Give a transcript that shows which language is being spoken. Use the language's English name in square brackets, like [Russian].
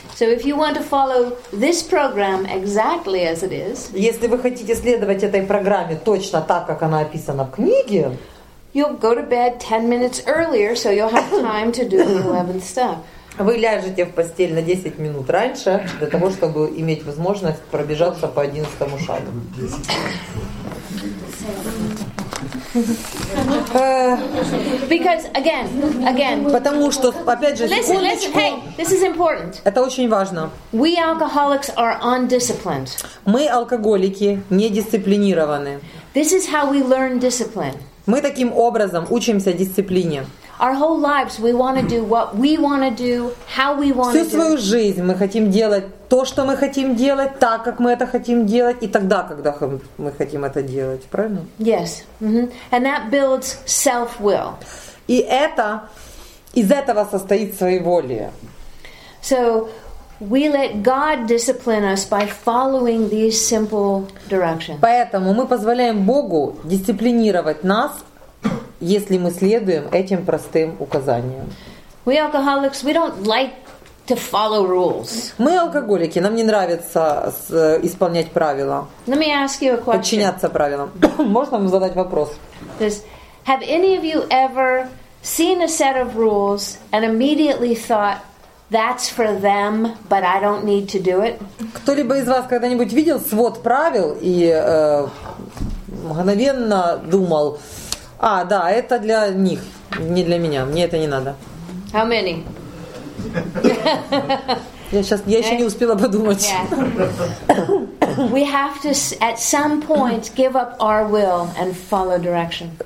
[English] So if you want to follow this program exactly as it is, [Russian] если вы хотите следовать этой программе точно так, как она описана в книге, [English] you'll go to bed 10 minutes earlier, so you'll have time to do the 11th step. [Russian] Вы ляжете в постель на 10 минут раньше для того, чтобы иметь возможность пробежаться по 11-му шагу. [English] Because again. [Russian] Потому что опять же. [English] Listen. Hey, this is important. [Russian] Это очень важно. [English] We alcoholics are undisciplined. [Russian] Мы алкоголики недисциплинированы. [English] This is how we learn discipline. [Russian] Мы таким образом учимся дисциплине. [English] Our whole lives we want to do what we want to do, how we want to do. [Russian] Всю свою жизнь мы хотим делать то, что мы хотим делать, так как мы это хотим делать и тогда, когда мы хотим это делать, правильно? [English] Yes. Mm-hmm. And that builds self-will. [Russian] И это из этого состоит своеволие. [English] So we let God discipline us by following these simple directions. [Russian] Поэтому мы позволяем Богу дисциплинировать нас, если мы следуем этим простым указаниям. [English] We alcoholics, we don't like to follow rules. [Russian] Мы алкоголики, нам не нравится исполнять правила. [English] Let me ask you a question. [Russian] Подчиняться правилам. Можно вам задать вопрос? [English] This, have any of you ever seen a set of rules and immediately thought, that's for them, but I don't need to do it? [Russian] Кто-либо из вас когда-нибудь видел свод правил и мгновенно думал, а, да, это для них, не для меня, мне это не надо. [English] How many? [Russian] Я еще не успела подумать. [English] We have to at some point give up our will and follow direction.